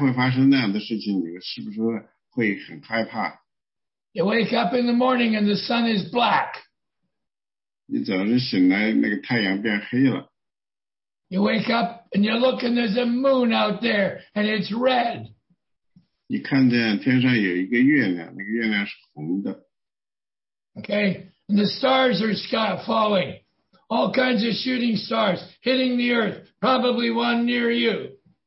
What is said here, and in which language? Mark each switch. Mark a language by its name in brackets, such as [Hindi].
[Chinese] 因为人们都听到了。如果说是你明天会发生那样的事情，你是不是会很害怕？ [English] You wake up in the morning and the sun is black. [Chinese] 你早上醒来，那个太阳变黑了。 [English] You wake up and you look and there's a moon out there and it's red. [Chinese] 你看见天上有一个月亮，那个月亮是红的。 [English] Okay, and the stars are falling. All kinds of shooting stars hitting the earth, probably one near you.